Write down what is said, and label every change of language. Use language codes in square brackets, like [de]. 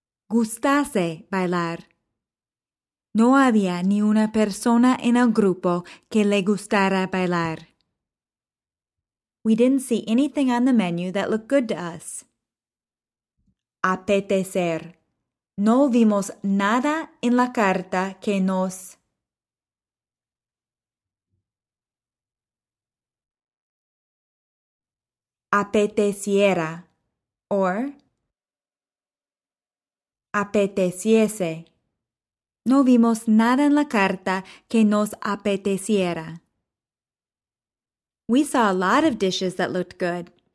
[es] gustase bailar. No había ni una persona en el grupo que le gustara bailar. [en] We didn't see anything on the menu that looked good to us. [es] Apetecer. No vimos nada en la carta que nos... apeteciera. Or... apeteciese. No vimos nada en la carta que nos apeteciera. [en] We saw a lot of dishes that looked good.